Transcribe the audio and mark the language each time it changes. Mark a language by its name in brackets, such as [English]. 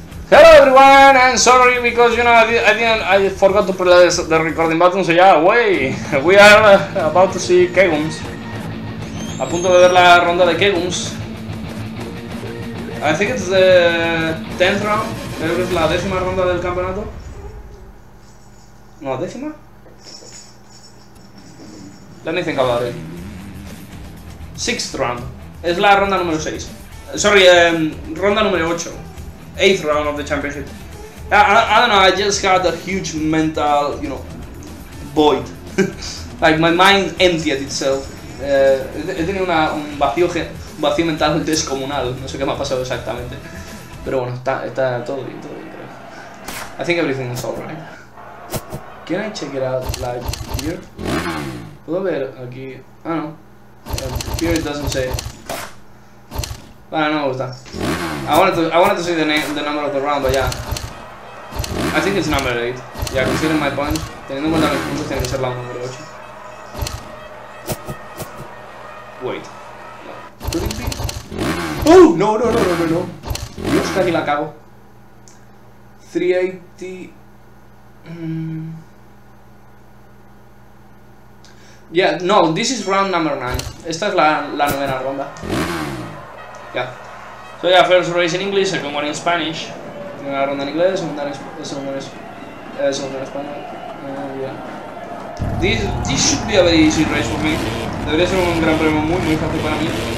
[English] everyone, I'm sorry because you know I forgot to play the recording button, so yeah, we are about to see Kegums. [Spanish] A punto de ver la ronda de Kegums. [English] I think it's the 10th round. [Spanish] Creo que es la décima ronda del campeonato. No, décima. [English] Let me think about it. 6th round. [Spanish] Es la ronda número 6. Sorry, ronda número 8. [English] 8th round of the championship. I don't know, I just had a huge mental, you know, void. Like my mind emptied itself. [Spanish] He tenido un vacío mental descomunal. No sé qué me ha pasado exactamente. Pero bueno, está todo bien, creo. [English] I think everything is alright. Can I check it out live here? [Spanish] ¿Puedo ver aquí? [English] Ah, no. Here it doesn't say. [Spanish] Bueno, no me gusta. [English] I wanted to see the number of the round, but yeah. I think it's number 8. Yeah, considering my points. [Spanish] Teniendo en cuenta mis puntos, tiene que ser la número 8. [English] Wait. Could it be? Oh, no. [Spanish] Yo hasta aquí la cago. 380. [English] Yeah, no, this is round number 9. [Spanish] Esta es la novena ronda. [English] Yeah. So yeah, first race in English, second one in Spanish. [Spanish] Primera ronda en inglés, segunda en español. [English] This should be a very easy race for me. [Spanish] Debería ser un gran premio muy fácil para mí.